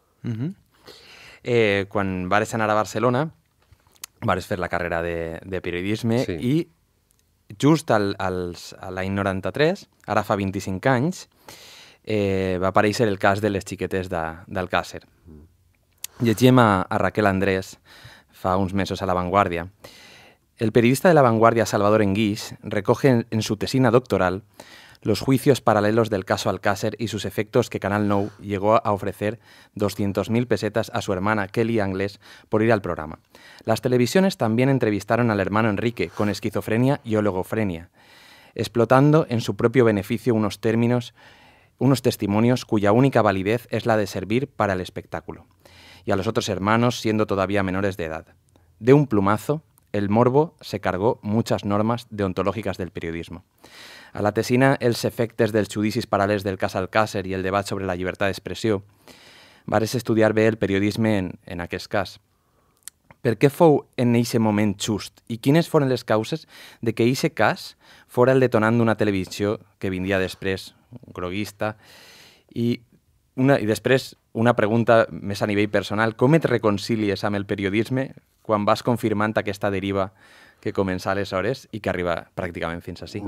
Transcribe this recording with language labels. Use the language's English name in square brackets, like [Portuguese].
[Catalan] Uh-huh. Quan vas anar a Barcelona, vas fer la carrera de periodisme, sí. I just a l'any 93, ara fa 25 anys, va aparèixer el cas de les xiquetes d'Alcàsser. Llegim a Raquel Andrés fa uns mesos a La Vanguardia. [Spanish] El periodista de La Vanguardia, Salvador Enguix, recoge en su tesina doctoral los juicios paralelos del caso Alcàsser y sus efectos que Canal Nou llegó a ofrecer 200.000 pesetas a su hermana Kelly Anglés por ir al programa. Las televisiones también entrevistaron al hermano Enrique con esquizofrenia y oligofrenia, explotando en su propio beneficio unos testimonios cuya única validez es la de servir para el espectáculo, y a los otros hermanos siendo todavía menores de edad. De un plumazo, el morbo se cargó muchas normas deontológicas del periodismo. [Catalan] A la tesina els efectes dels judicis paral·lels del cas Alcàsser i el debat sobre la llibertat d'expressió, vares estudiar bé el periodisme en aquest cas. Per què fou en eixe moment just i quines foren les causes de que eixe cas fora el detonant d'una televisió que vindria després, groguista, i després una pregunta més a nivell personal, com et reconcilies amb el periodisme quan vas confirmant aquesta deriva que comença aleshores i que arriba pràcticament fins a 5.